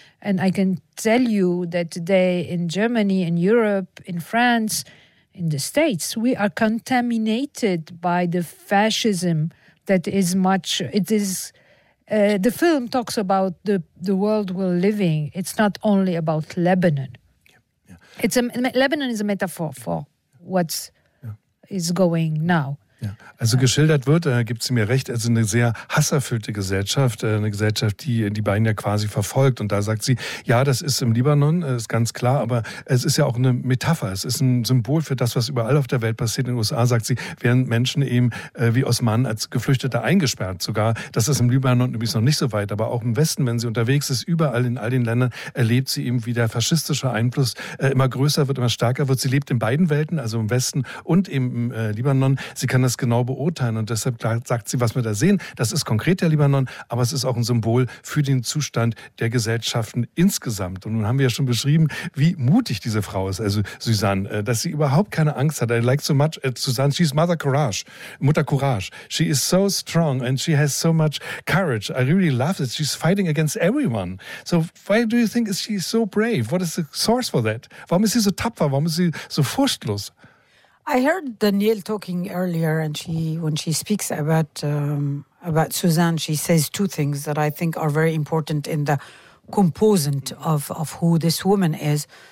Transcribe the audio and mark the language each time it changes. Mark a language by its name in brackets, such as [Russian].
[English] And I can tell you that today in Germany, in Europe, in France, in the States, we are contaminated by the fascism that is much, it is, the film talks about the world we're living. It's not only about Lebanon. Lebanon is a metaphor for what is going now. [German] Ja, also geschildert wird, da gibt es mir recht, also eine sehr hasserfüllte Gesellschaft, eine Gesellschaft, die die beiden ja quasi verfolgt. Und da sagt sie, ja, das ist im Libanon, ist ganz klar, aber es ist ja auch eine Metapher, es ist ein Symbol für das, was überall auf der Welt passiert. In den USA, sagt sie, werden Menschen eben wie Osman als Geflüchtete eingesperrt sogar. Das ist im Libanon übrigens noch nicht so weit, aber auch im Westen, wenn sie unterwegs ist, überall in all den Ländern, erlebt sie eben, wie der faschistische Einfluss immer größer wird, immer stärker wird. Sie lebt in beiden Welten, also im Westen und im Libanon. Sie kann das genau beurteilen. Und deshalb sagt sie, was wir da sehen, das ist konkret der Libanon, aber es ist auch ein Symbol für den Zustand der Gesellschaften insgesamt. Und nun haben wir ja schon beschrieben, wie mutig diese Frau ist, also Suzanne, dass sie überhaupt keine Angst hat. [English] I like so much Suzanne, she's mother courage, [German] Mutter Courage. [English] She is so strong and she has so much courage. I really love it. She's fighting against everyone. So why do you think she is so brave? What is the source for that? [German] Warum ist sie so tapfer? Warum ist sie so furchtlos? [English] I heard Danielle talking earlier, and she, when she speaks about Suzanne, she says two things that I think are very important in the composant of who this woman is.